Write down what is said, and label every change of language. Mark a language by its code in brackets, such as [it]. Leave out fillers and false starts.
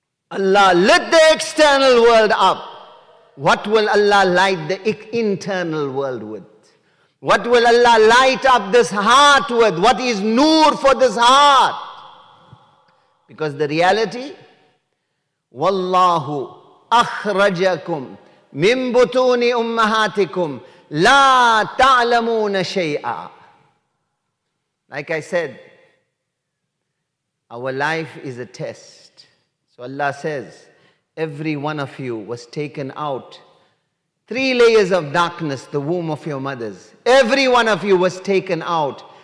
[en] Allah lit the external world up. What will Allah light the internal world with? What will Allah light up this heart with? What is nur for this heart? Because the reality, [ar] وَاللَّهُ أَخْرَجَكُمْ مِنْ بُطُونِ أُمَّهَاتِكُمْ لَا تَعْلَمُونَ شَيْئًا. [en] Like I said, our life is a test. So Allah says, every one of you was taken out. Three layers of darkness, the womb of your mothers. Every one of you was taken out.